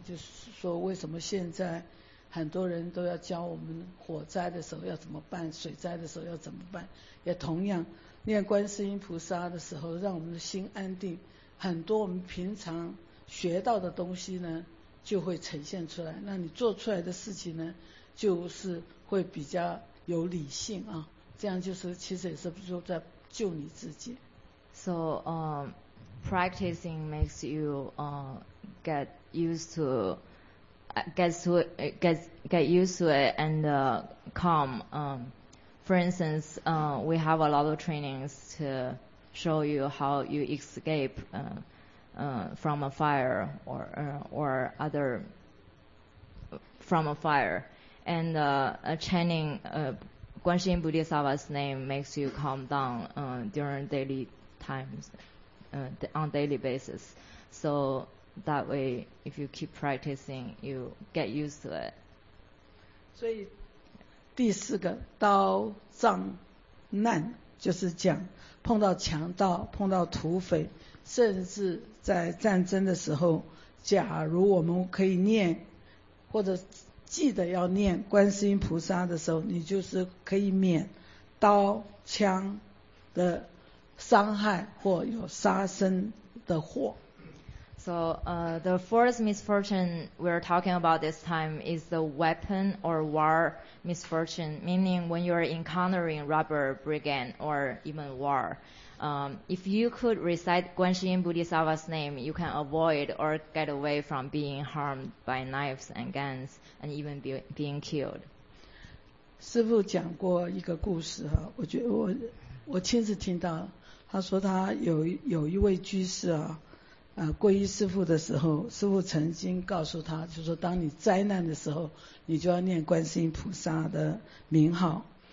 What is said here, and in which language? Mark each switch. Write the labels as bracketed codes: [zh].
[zh] 就是说，为什么现在很多人都要教我们火灾的时候要怎么办，水灾的时候要怎么办，也同样念观世音菩萨的时候让我们的心安定，很多我们平常学到的东西呢就会呈现出来，那你做出来的事情呢就是会比较有理性啊，这样就是其实也是说在救你自己。 [en] So practicing makes you get used to get used to it and calm. For instance, we have a lot of trainings to show you how you escape from a fire or other from a fire. And chanting Guan Xin Bodhisattva's name makes you calm down during daily times on daily basis. So. That way, if you keep practicing, you get used to it. [zh] 所以第四个刀杖难就是讲碰到强盗、碰到土匪，甚至在战争的时候，假如我们可以念或者记得要念观世音菩萨的时候，你就是可以免刀枪的伤害或有杀身的祸。 [en] So the fourth misfortune we're talking about this time is the weapon or war misfortune, meaning when you're encountering robber, brigand, or even war. If you could recite Guan Xin Bodhisattva's name, you can avoid or get away from being harmed by knives and guns and even being killed. [zh] 师父讲过一个故事，我觉得我亲自听到，他说他有一位居士啊，皈依师父的时候，师父曾经告诉他，就说当你灾难的时候，你就要念观世音菩萨的名号。